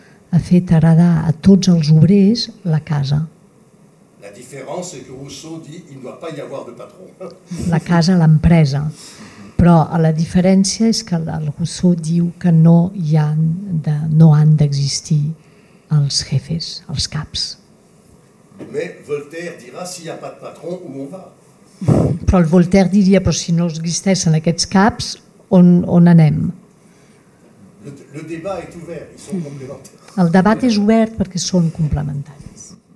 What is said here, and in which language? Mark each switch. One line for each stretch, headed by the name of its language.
Catalan: Ha fet heredar a tots els obrers la casa.
French: La différence est que Rousseau dit il ne doit pas y avoir de patron.
Catalan: La casa, l'empresa. Però la diferència és que el Rousseau diu que no han d'existir els jefes, els caps.
French: Mais Voltaire dirà s'il n'y a pas de patron, où on va?
Catalan: Però el Voltaire diria, però si no existeixen aquests caps, on anem?
French: Le débat est ouvert, ils sont complémentaires.
Catalan: El debat és obert perquè són complementaris.